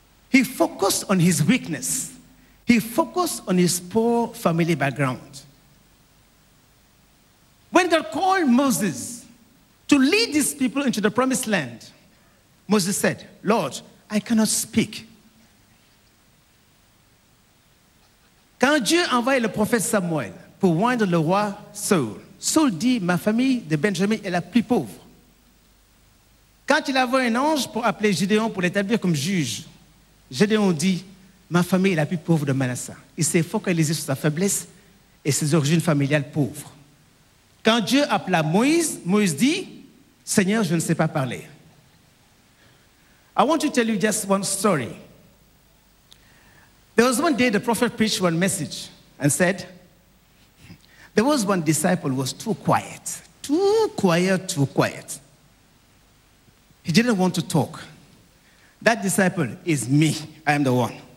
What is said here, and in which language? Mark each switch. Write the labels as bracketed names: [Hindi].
[English] He focused on his weakness. He focused on his poor family background. When God called Moses to lead these people into the promised land, Moses said, "Lord, I cannot speak." [French] Quand Dieu envoie le prophète Samuel pour oindre le roi Saul, Saul dit, "Ma famille de Benjamin est la plus pauvre." Quand il envoie un ange pour appeler Gédéon pour l'établir comme juge, Gédéon dit, "Ma famille est la plus pauvre de Manasseh." Il s'est focalisé sur sa faiblesse et ses origines familiales pauvres. Quand Dieu appela Moïse, Moïse dit, "Seigneur, je ne sais pas parler." [English] I want to tell you just one story. There was one day the prophet preached one message and said, there was one disciple who was too quiet. He didn't want to talk. That disciple is me. I am the one.